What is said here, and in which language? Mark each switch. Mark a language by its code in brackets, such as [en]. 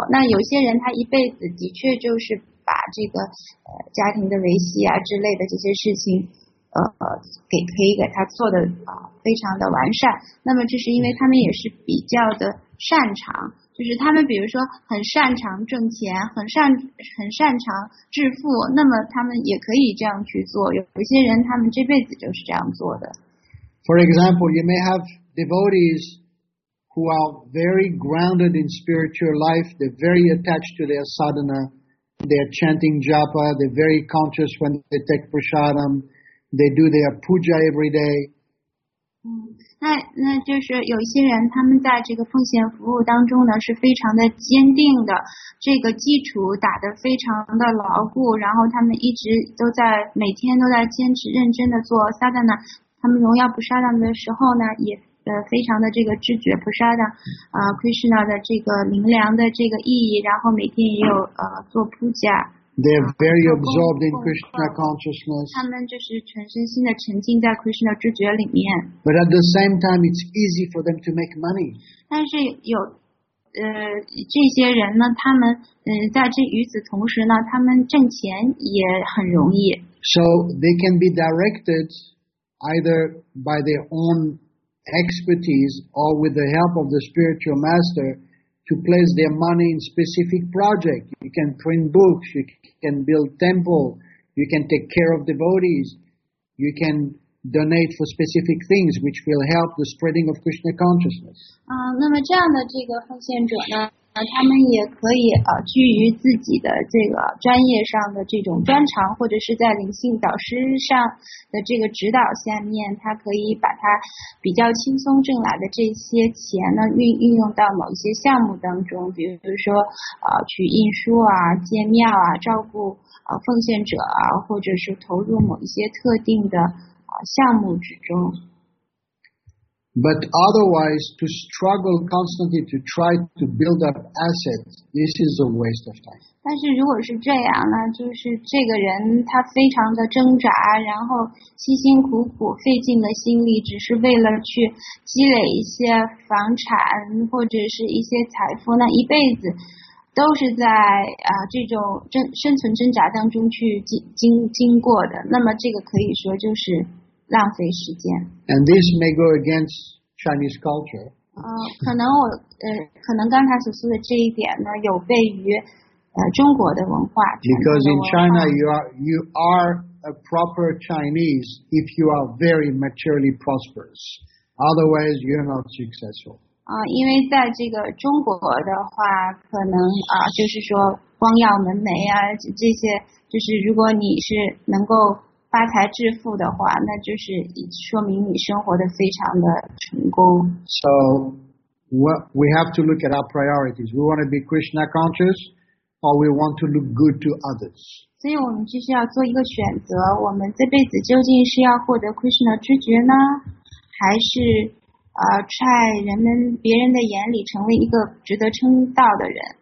[zh] 那有些人他一辈子的确就是把这个家庭的维系啊之类的这些事情给他做的非常的完善，那么这是因为他们也是比较的擅长，就是他们比如说很擅长挣钱，很擅长致富，那么他们也可以这样去做。有些人他们这辈子就是这样做的。 [en] For example, you may have devotees who are very grounded in spiritual life. They're very attached to their sadhana. They're chanting japa. They're very conscious when they take prasadam. They do their puja every day. [zh] 那就是有些人他们在这个奉献服务当中呢是非常的坚定的，这个基础打得非常的牢固，然后他们一直都在每天都在坚持认真的做 sadhana。他们荣耀 prasadam 的时候呢，也非常的这个知觉 prasadam， Krishna 的这个灵粮的这个意义，然后每天也有做 puja。 [en] They're very absorbed in Krishna consciousness. [zh] 他们就是全身心的沉浸在 Krishna 知觉里面。 [en] But at the same time, it's easy for them to make money. [zh] 但是有这些人呢，他们在这与此同时呢，他们挣钱也很容易。 [en] So they can be directed. Either by their own expertise or with the help of the spiritual master to place their money in specific project. You can print books, you can build temple, you can take care of devotees, you can donate for specific things which will help the spreading of Krishna consciousness. [zh] 那么这样的这个奉献者呢，他们也可以居于自己的这个专业上的这种专长，或者是在灵性导师上的这个指导下面，他可以把他比较轻松挣来的这些钱呢运用到某一些项目当中，比如说去印书啊、建庙啊、照顾奉献者啊，或者是投入某一些特定的项目之中。 [en] But otherwise, to struggle constantly to try to build up assets, this is a waste of time. [zh] 但是如果是这样呢，就是这个人他非常的挣扎，然后辛辛苦苦费尽了心力，只是为了去积累一些房产或者是一些财富，那一辈子都是在这种生存挣扎当中去经过的，那么这个可以说就是浪费时间。 [en] And this may go against Chinese culture. [zh] 可能刚才所说的这一点呢，有悖于中国的文化。 [en] Because in China, you are a proper Chinese if you are very materially prosperous. Otherwise, you're not successful. [zh] 因为在这个中国的话，可能就是说光耀门楣啊，这些就是如果你是能够发财致富的话，那就是说明你生活的非常的成功。 [en] So, we have to look at our priorities. We want to be Krishna conscious, or we want to look good to others. [zh] 所以我们就是要做一个选择，我们这辈子究竟是要获得 Krishna 知觉呢，还是在别人的眼里成为一个值得称道的人。